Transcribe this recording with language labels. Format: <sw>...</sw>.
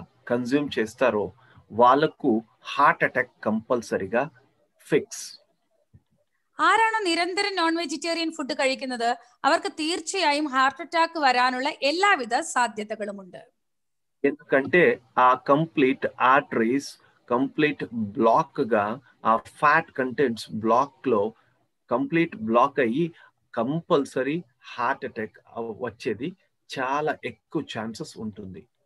<te>Consume చేస్తారో వాళ్ళకు heart attack కంపల్సరీగా ఫిక్స్.</te> <ml>ആരാണോ നിരന്തരം നോൺ വെജിറ്റേറിയൻ ഫുഡ് കഴിക്കുന്നത് അവർക്ക് തീർച്ചയായും ഹാർട്ട് അറ്റാക്ക് വരാനുള്ള എല്ലാവിധ സാധ്യതകളും ഉണ്ട്</ml> <te>ఎందుకంటే ఆ కంప్లీట్ ఆర్టరీస్ కంప్లీట్ బ్లాక్ గా ఆ ఫ్యాట్ కంటెంట్స్ బ్లాక్ లో కంప్లీట్ బ్లాక్ అయ్యి కంపల్సరీ హార్ట్ అటాక్ వచ్చేది చాలా ఎక్కువ ఛాన్సెస్ ఉంటుంది</te>